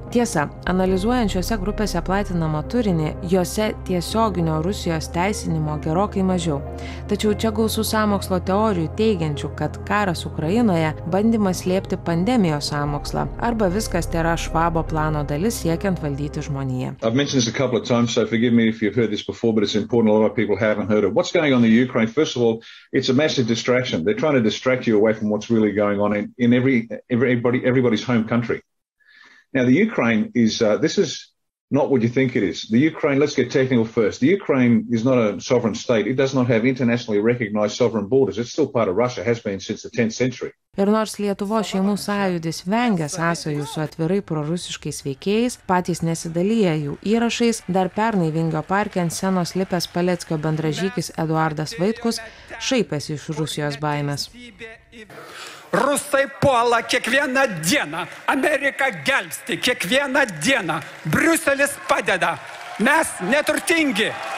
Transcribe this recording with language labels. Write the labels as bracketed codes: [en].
[lt] Tiesa, analizuojant šiuose grupėse platinamą turinį, jose tiesioginio Rusijos teisinimo gerokai mažiau. Tačiau čia gausų sąmokslo teorijų teigiančių, kad karas Ukrainoje bandymas slėpti pandemijos sąmokslą arba viskas tėra Švabo plano dalis siekiant valdyti žmoniją. [en] I've mentioned this a couple of times, so forgive me if you've heard this before, but it's important a lot of people haven't heard it. What's going on in Ukraine? First of all, it's a massive distraction. They're trying to distract you away from what's really going on in everybody's home country. Now the Ukraine is this is not what you think it is. The Ukraine, let's get technical first. The Ukraine is not a sovereign state. It does not have internationally recognized sovereign borders. It's still part of Russia, has been since the 10th century. [lt] Ir nors Lietuvos šeimų sąjūdis vengia sąsajų su atvirai prorusiškais veikėjais, patys nesidalyja jų įrašais, dar pernai Vingio parke ant senos lipęs Paleckio bendražykis Eduardas Vaitkus šaipėsi iš Rusijos baimės. Rusai puola kiekvieną dieną, Amerika gelbsti kiekvieną dieną, Briuselis padeda, mes neturtingi.